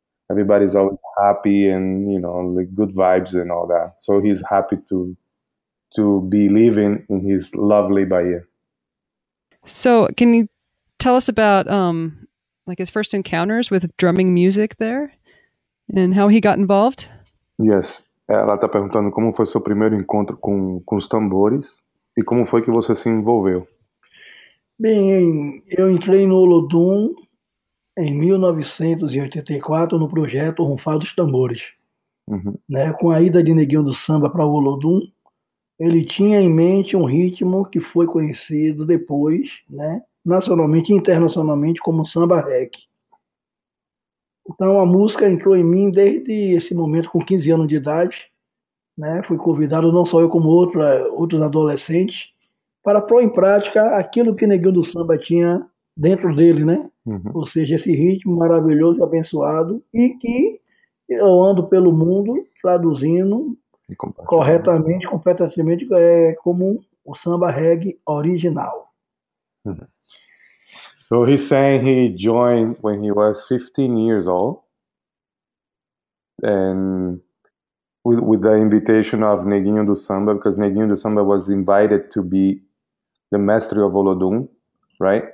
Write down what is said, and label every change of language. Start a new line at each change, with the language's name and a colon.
English: Everybody's always happy and, you know, like good vibes and all that. So he's happy to be living in his lovely Bahia. So can you tell us about like his first encounters with drumming music there and how he got involved? Yes.
Portuguese: Ela está perguntando como foi seu primeiro encontro com os tambores e como foi que você se envolveu. Bem, eu entrei no Olodum em 1984 no projeto Ronfar dos Tambores. Uhum. Né? Com a ida de Neguinho do Samba para o Olodum, ele tinha em mente um ritmo que foi conhecido depois, né? Nacionalmente e internacionalmente, como samba reggae. Então, a música entrou em mim desde esse momento, com 15 anos de idade, né? Fui convidado, não só eu, como outros adolescentes, para pôr em prática aquilo que Neguinho do Samba tinha dentro dele, né? Uhum. Ou seja, esse ritmo maravilhoso e abençoado, e que eu ando pelo mundo traduzindo corretamente, completamente, como o samba reggae original.
English: So he's saying he joined when he was 15 years old, and with the invitation of Neguinho do Samba, because Neguinho do Samba was invited to be the Mestre of Olodum, right?